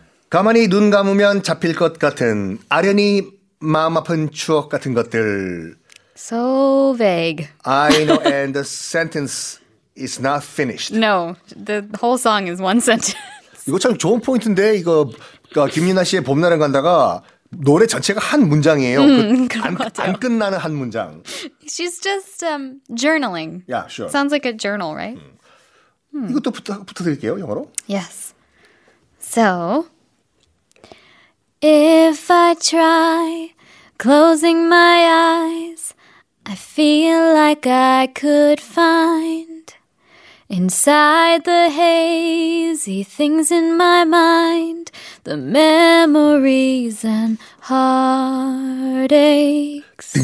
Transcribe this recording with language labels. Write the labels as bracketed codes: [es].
[ko] 가만히 눈 감으면 잡힐 것 같은 아련히 마음 아픈 추억 같은 것들. [en] So vague. I know, and the sentence is not finished. No, the whole song is one sentence. [ko] 이거 참 좋은 포인트인데 이거 그러니까 김윤아 씨의 봄날에 간다가 노래 전체가 한 문장이에요. 안 끝나는 한 문장. [en] She's just journaling. Yeah, sure. Sounds like a journal, right? [ko] 이것도 부탁드릴게요, 영어로. [en] Yes. So, if I try closing my eyes, I feel like I could find inside the hazy things in my mind, the memories and heartaches.